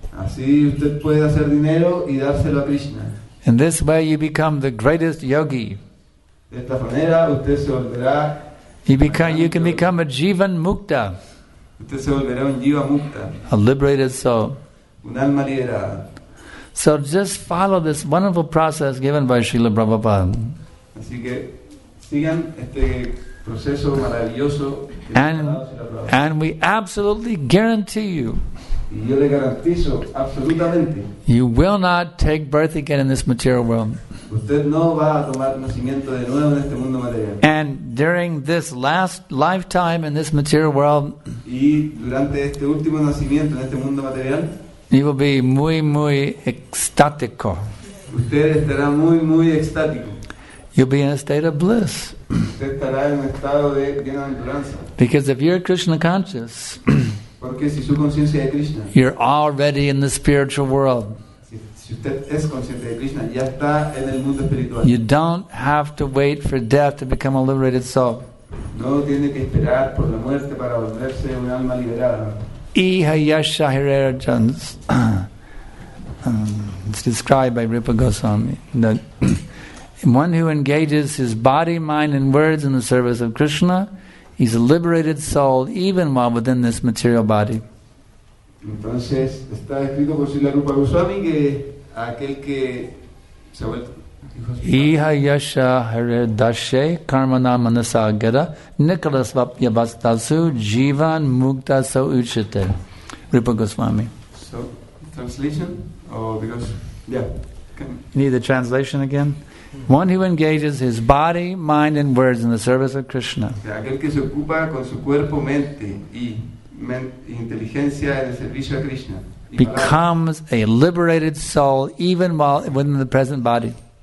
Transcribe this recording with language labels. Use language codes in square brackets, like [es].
[es] Así usted puede hacer dinero y dárselo a Krishna. [en] In this way you become the greatest yogi. [es] De esta manera usted se volverá [en] you can become a Jivan Mukta. [es] Usted se volverá un Jiva Mukta. [en] A liberated soul. [es] Un alma liberada. [en] So just follow this wonderful process given by Srila Prabhupada. [es] Así que sigan este proceso maravilloso que [en] and we absolutely guarantee you, [es] y yo le garantizo absolutamente, [en] you will not take birth again in this material world. [es] Usted no va a tomar nacimiento de nuevo en este mundo material. [en] And during this last lifetime in this material world, [es] y durante este último nacimiento en este mundo material, [en] you will be [es] muy, muy extático. Usted estará muy, muy extático. [en] You'll be in a state of bliss. [es] Usted estará en estado de bienaventuranza. [en] Because if you're Krishna conscious, [es] porque si su conciencia es Krishna, [en] you're already in the spiritual world. [es] Si usted es consciente de Krishna, ya está en el mundo espiritual. [en] You don't have to wait for death to become a liberated soul. [es] No tiene que esperar por la muerte para volverse un alma liberada. [en] It's described by Rupa Goswami that one who engages his body, mind, and words in the service of Krishna, he's a liberated soul even while within this material body. [es] Entonces, está escrito por Srila Rupa Goswami que aquel que se vuelve. [sa] Iha yasha hare dashe karmana manasa gada nikalas vapya vastasu jivan mukta so uchite. Rupa Goswami. [en] So, translation? Or because, yeah. Need the translation again? One who engages his body, mind, and words in the service of Krishna. [es] Aquel que se ocupa con su cuerpo, mente, y inteligencia en el servicio a Krishna. [en] becomes a liberated soul even while within the present body.